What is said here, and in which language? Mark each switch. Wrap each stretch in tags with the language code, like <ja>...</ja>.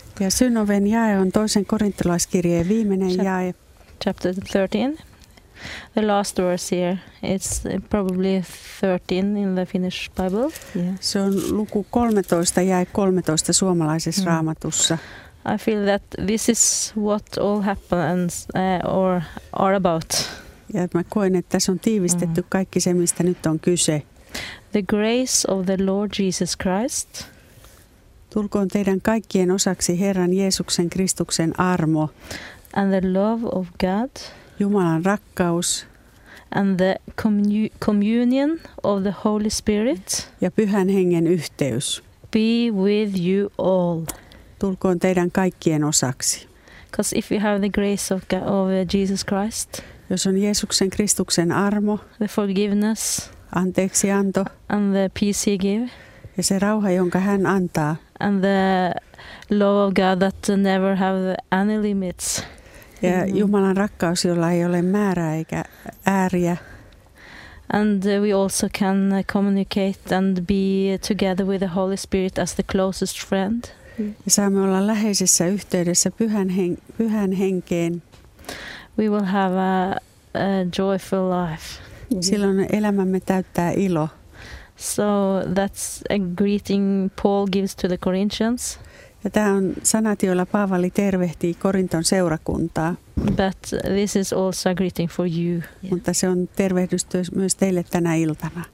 <fi>Ja Synnoven jae on toisen korintolaiskirjeen viimeinen jae.</fi> <en>Chapter 13. The last verse here, it's probably 13 in the Finnish Bible. Yeah.</en> <fi>Se on luku 13, jäi 13 suomalaisessa raamatussa.</fi> <en>I feel that this is what all happens or are about.</en> <fi>Ja mä koen, että tässä on tiivistetty kaikki se, mistä nyt on kyse.</fi> <en>The grace of the Lord Jesus Christ.</en> <fi>Tulkoon teidän kaikkien osaksi Herran Jeesuksen Kristuksen armo.</fi> <en>And the love of God.</en> <fi>Jumalan rakkaus.</fi> <en>And the communion of the Holy Spirit.</en> <fi>Ja Pyhän Hengen yhteys.</fi> <en>Be with you all.</en> <fi>Tulkoon teidän kaikkien osaksi.</fi> <en>Because if you have the grace of God, of Jesus Christ.</en> <fi>Jos on Jeesuksen Kristuksen armo.</fi> <en>The forgiveness.</en> <fi>Anteeksianto.</fi> <en>And the peace he gave.</en> <fi>Ja se rauha, jonka hän antaa.</fi> <en>And the love of God that never have any limits.</en> <fi>Ja Jumalan rakkaus, jolla ei ole määrää eikä ääriä.</fi> <en>And we also can communicate and be together with the Holy Spirit as the closest friend.</en> <fi>Ja saamme olla läheisessä yhteydessä pyhän henkeen.</fi> <en>We will have a joyful life.</en> <fi>Silloin elämämme täyttää ilo.</fi> <en>So that's a greeting Paul gives to the Corinthians.</en> <fi>Ja tämä on sanat, joilla Paavali tervehtii Korinton seurakuntaa.</fi> <en>But this is also a greeting for you.</en> <fi>Mutta se on tervehdys myös teille tänä iltana.</fi>